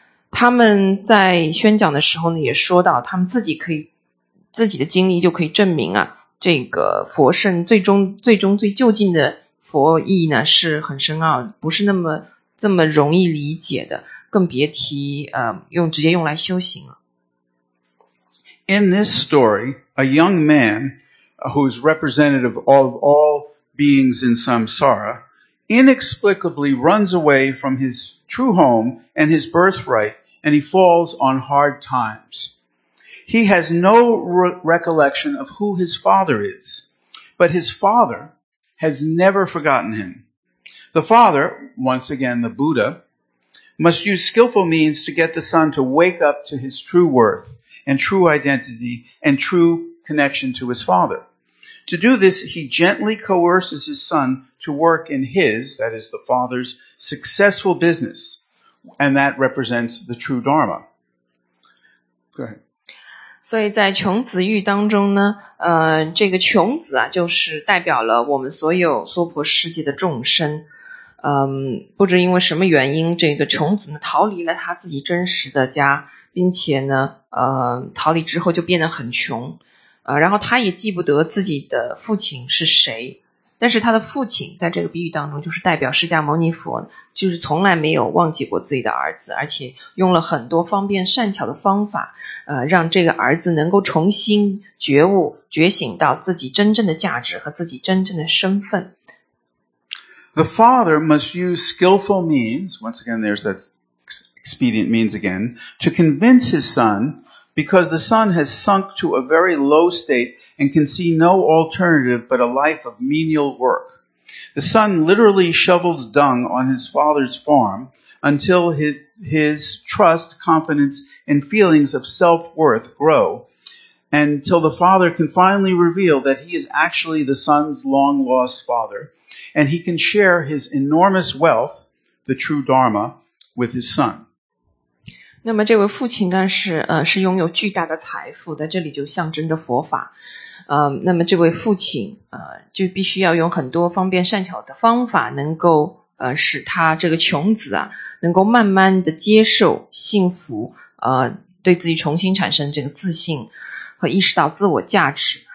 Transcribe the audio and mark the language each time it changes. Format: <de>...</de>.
<zh>他们在宣讲的时候呢，也说到他们自己的经历就可以证明啊，这个佛圣最终最究竟的佛意呢是很深奥，不是那么这么容易理解的，更别提直接用来修行了。</zh> <en>In this story, a young man who is representative of all beings in samsara inexplicably runs away from his true home and his birthright, and he falls on hard times. He has no recollection of who his father is, but his father has never forgotten him. The father, once again the Buddha, must use skillful means to get the son to wake up to his true worth and true identity and true connection to his father. To do this, he gently coerces his son to work in his, that is the father's, successful business. And that represents the true Dharma. Go ahead.</en> <zh>所以在穷子喻当中呢，这个穷子啊，就是代表了我们所有娑婆世界的众生。不知因为什么原因，这个穷子呢逃离了他自己真实的家，并且呢，逃离之后就变得很穷。然后他也记不得自己的父亲是谁。但是他的父亲在这个比喻当中就是代表释迦牟尼佛，就是从来没有忘记过自己的儿子，而且用了很多方便善巧的方法，让这个儿子能够重新觉悟，觉醒到自己真正的价值和自己真正的身份。</zh> <en>The father must use skillful means, once again there's that expedient means again, to convince his son, because the son has sunk to a very low state and can see no alternative but a life of menial work. The son literally shovels dung on his father's farm until his trust, confidence, and feelings of self-worth grow, and till the father can finally reveal that he is actually the son's long-lost father, and he can share his enormous wealth, the true Dharma, with his son.</en> <zh>那么这位父亲呢是拥有巨大的财富的，这里就象征着佛法。那么这位父亲就必须要用很多方便善巧的方法，能够使他这个穷子啊能够慢慢的接受幸福，对自己重新产生这个自信和意识到自我价值。</zh>